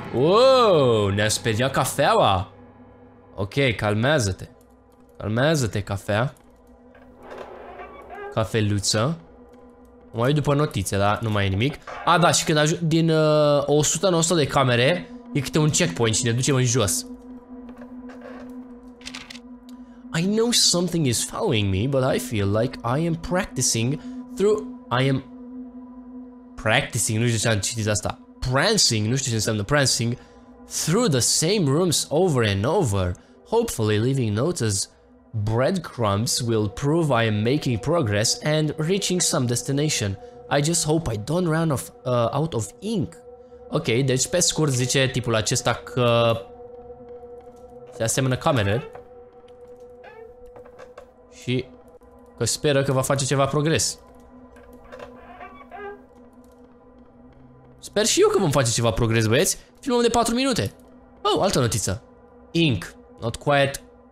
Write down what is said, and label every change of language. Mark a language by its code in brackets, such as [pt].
[ro] Wow, ne-a speriat cafeaua! Ok, calmează-te. Calmează-te, cafea. Cafeluță. Mă uit după notițe, dar nu mai e nimic. A, da, și când din 100-900 de camere, e câte un checkpoint și ne ducem în jos. [en] I know something is following me, but I feel like I am practicing through... [ro] Practicing, nu știu ce am citit asta. Prancing, nu știu ce înseamnă prancing. [en] Through the same rooms over and over. Hopefully leaving notes as breadcrumbs will prove I am making progress and reaching some destination. I just hope I don't run off, out of ink. [ro] Ok, deci pe scurt zice tipul acesta că... Se asemănă camere. Și că speră că va face ceva progres. Sper și eu că vom face ceva progres, băieți. Filmăm de 4 minute. Oh, altă notiță. [en] Ink. not quiet.